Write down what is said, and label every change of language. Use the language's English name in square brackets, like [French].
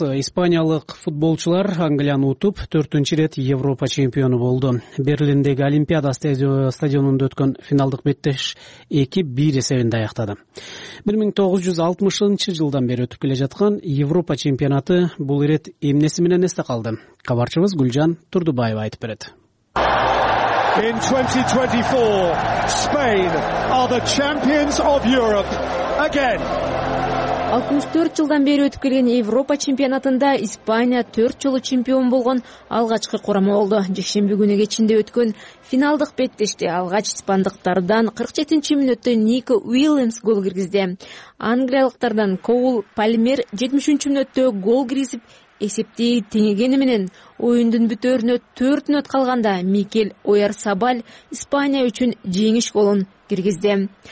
[Kyrgyz] Испаниялык футболчулар Англияны утуп 4-чү ирет Европа чемпиону болду. Берлиндеги Олимпиада стадионунда өткөн финалдык беттеш 2-1 эсебинде аяктады. 1960 жылдан бери өтүп келе жаткан Европа чемпионаты бул ирет эмнеси менен эсте калды? Кабарчыбыз Гүлжан Турдубаева айтып берет. [English] In 2024, Spain are the champions of Europe again. [Kyrgyz] 64 жылдан бери өтүп келген Европа чемпионатында Испания 4 жолу чемпион болгон алгачкы курама болду. Жекшемби күнү кечинде өткөн финалдык беттеште алгач испандыктардан 47-мүнөттө Нико Уильямс гол киргизди. Англиялыктардан Коул Палмер 70-мүнөттө гол киргизип, эсепти теңегени менен оюндун бүтөрүнө 4 мүнөт калганда Микель Оярсабаль Испания үчүн жеңиш голун киргизди.